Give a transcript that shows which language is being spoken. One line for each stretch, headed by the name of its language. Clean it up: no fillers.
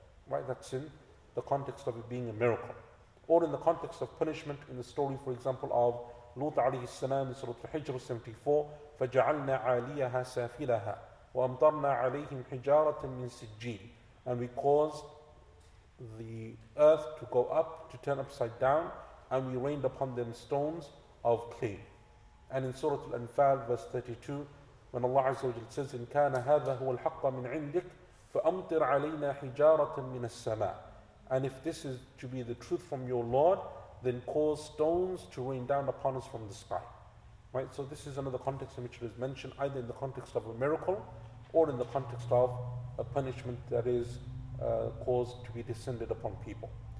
English: Right, that's in the context of it being a miracle. Or in the context of punishment, in the story, for example, of Lut alayhi salam in Surah Al-Hijr 74,
Arabic: فَجَعَلْنَا عَلِيَهَا سَافِلَهَا وَأَمْطَرْنَا عَلَيْهِمْ حِجَارَةً مِّن سِجِّيلٍ.
English: And we caused the earth to go up, to turn upside down, and we rained upon them stones of clay. And in Surah Al-Anfal, verse 32, when Allah Azza wa Jalla says,
Arabic: إِن كَانَ هَذَا هُوَ الْحَقَّ مِنْ عِنْدِكَ فَأَمْطِرْ عَلَيْنَا حِجَارَةً مِّنَ السَّمَاءِ.
English: And if this is to be the truth from your Lord, then cause stones to rain down upon us from the sky. Right? So this is another context in which it is mentioned, either in the context of a miracle or in the context of a punishment that is caused to be descended upon people.